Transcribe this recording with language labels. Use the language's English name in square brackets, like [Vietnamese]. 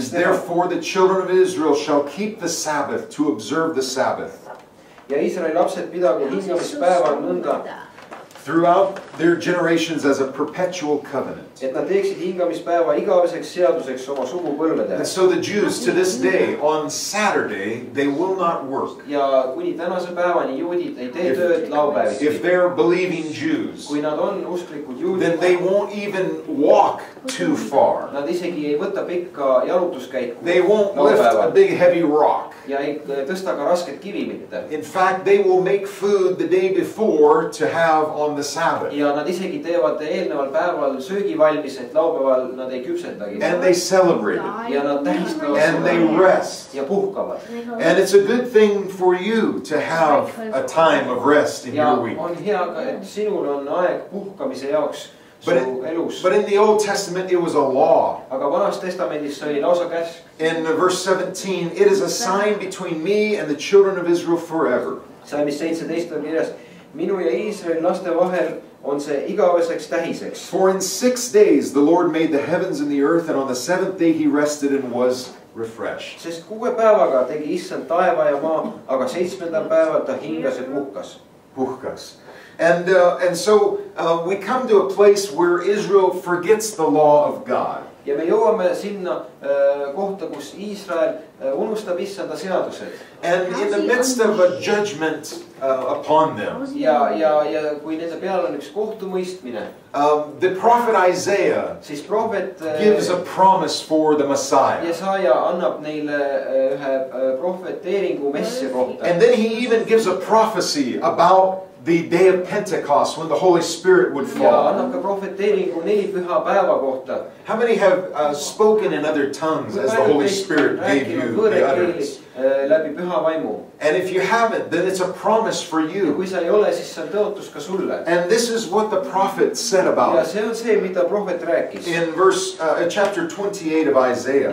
[English] Is therefore the children of Israel shall keep the Sabbath to observe the Sabbath. [Estonian] Ja Iisraeli lapsed pidagu hingamispäeva nõnda. [English] Throughout their generations as a perpetual covenant. [Estonian] Et nad teeksid hingamispäeva igaveseks seaduseks oma sugu põlvede. [English] And so the Jews to this day on Saturday they will not work. [Estonian] Ja kuni tänase päevani juudid ei tee tööd laupäeviti. [English] If they're believing Jews. [Estonian] Kui nad on usklikud juudid. [English] Then they won't even walk too far. [Estonian] Nad isegi ei võta pikka jalutuskäiku. [English] They won't lift a big heavy rock. [Estonian] Ja ei tõsta ka rasket kivi mitte. [English] In fact they will make food the day before to have on the Sabbath. [Estonian] Ja nad isegi teevad eelneval päeval söögi valmis, et laupäeval nad ei küpsetagi. [English] And they celebrate. [Estonian] Ja nad tähistavad. [English] And they rest. [Estonian] Ja puhkavad. [English] And it's a good thing for you to have a time of rest in your week. [Estonian] Ja on hea, et sinul on aeg puhkamise jaoks. [English] But in the Old Testament it was a law. [Estonian] Aga Vanas testamentis oli lausa käsk. [English] In verse 17, it is a sign between me and the children of Israel forever. [Estonian] Salmis 17 on kirjas, minu ja Iisraeli laste vahel on see igaveseks tähiseks. [English] For in 6 days the Lord made the heavens and the earth, and on the seventh day he rested and was refreshed. [Estonian] Sest 6 päevaga tegi Issand taeva ja maa, aga 7. päeval ta hingas ja puhkas. Puhkas. [English] And so we come to a place where Israel forgets the law of God. [Estonian] Ja me jõuame sinna kohta, kus Iisrael unustab Issanda seadused. [English] And in the midst of a judgment upon them. [Estonian] Ja kui nende peal on üks kohtumõistmine. [English] The prophet Isaiah [Estonian] siis prohvet, [English] gives a promise for the Messiah. [Estonian] Jesaja annab neile ühe profeteeringu messia kohta. [English] And then he even gives a prophecy about the day of Pentecost when the Holy Spirit would fall. [Estonian] Ja annab ka profeteeringu nelipüha päeva kohta. [English] How many have spoken in other tongues as the Holy Spirit gave you the utterance? [Estonian] Läbi püha vaimu. [English] And if you haven't, then it's a promise for you. [Estonian] Ja kui sa ei ole, siis see on tõotus ka sulle. [English] And this is what the prophet said about it. [Estonian] Ja see on see, mida prohvet rääkis. [English] In verse, chapter 28 of Isaiah.